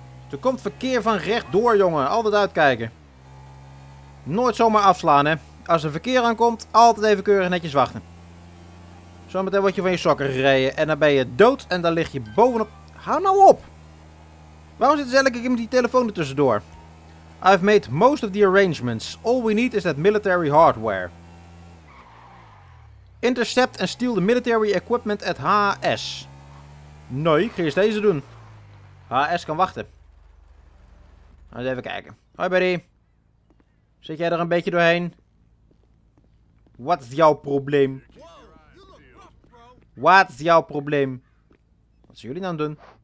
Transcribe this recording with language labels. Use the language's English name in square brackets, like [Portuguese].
[Dutch] Er komt verkeer van rechtdoor, jongen. Altijd uitkijken. Nooit zomaar afslaan, hè. Als er verkeer aankomt, altijd even keurig netjes wachten. Zometeen word je van je sokken gereden. En dan ben je dood en dan lig je bovenop... Hou nou op! Waarom zitten ze elke keer met die telefoon ertussendoor? [English] I've made most of the arrangements. All we need is that military hardware. Intercept and steal the military equipment at HS. [Dutch] Nee, ik ga eerst deze doen. HS kan wachten. Even kijken. Hoi, buddy. Zit jij er een beetje doorheen? Wat is jouw probleem? Wat is jouw probleem? Wat zijn jullie nou doen?